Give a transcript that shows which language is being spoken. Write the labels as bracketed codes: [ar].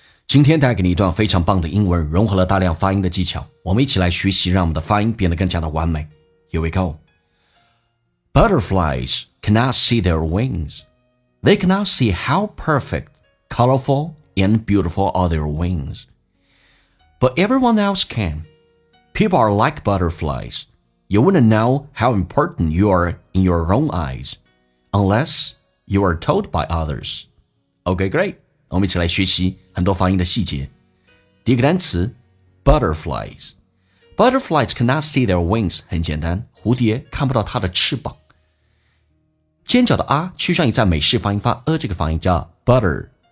[zh] 今天带给你一段非常棒的英文，融合了大量发音的技巧，我们一起来学习，让我们的发音变得更加的完美。 [en] Here we go. Butterflies cannot see their wings. They cannot see how perfect, colorful, and beautiful are their wings. But everyone else can. People are like butterflies. You wouldn't know how important you are in your own eyes, unlessYou are told by others. Okay, great. [zh] 我们一起来学习很多发音的细节。第一个单词 [en] butterflies. Butterflies cannot see their wings. [zh] 很简单，蝴蝶看不到它的翅膀。尖角的 R 趋向于在美式发音发 E 这个发音叫 butter.